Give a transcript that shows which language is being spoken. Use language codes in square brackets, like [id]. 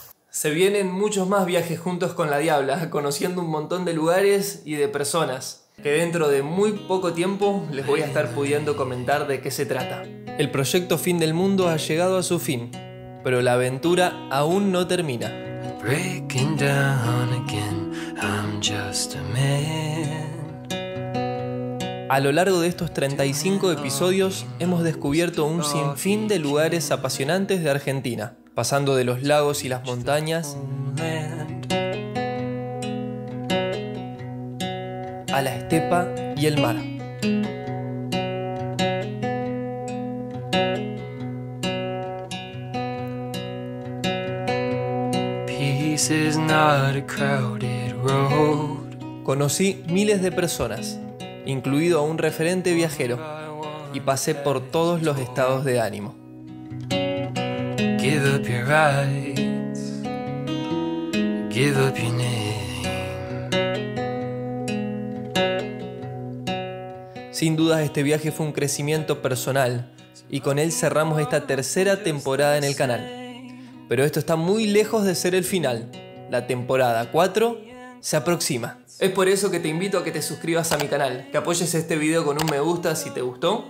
[es] Se vienen muchos más viajes juntos con la Diabla, conociendo un montón de lugares y de personas, que dentro de muy poco tiempo les voy a estar pudiendo comentar de qué se trata. El proyecto Fin del Mundo ha llegado a su fin, pero la aventura aún no termina. [en] Breaking down again, I'm just a man. [es] A lo largo de estos 35 episodios hemos descubierto un sinfín de lugares apasionantes de Argentina. Pasando de los lagos y las montañas a la estepa y el mar. [en] Peace is not a crowded road. [es] Conocí miles de personas, incluido a un referente viajero, y pasé por todos los estados de ánimo. [en] Give up your rights, give up your name. [es] Sin dudas, este viaje fue un crecimiento personal y con él cerramos esta tercera temporada en el canal. Pero esto está muy lejos de ser el final. La temporada 4 se aproxima. Es por eso que te invito a que te suscribas a mi canal, que apoyes este video con un me gusta si te gustó.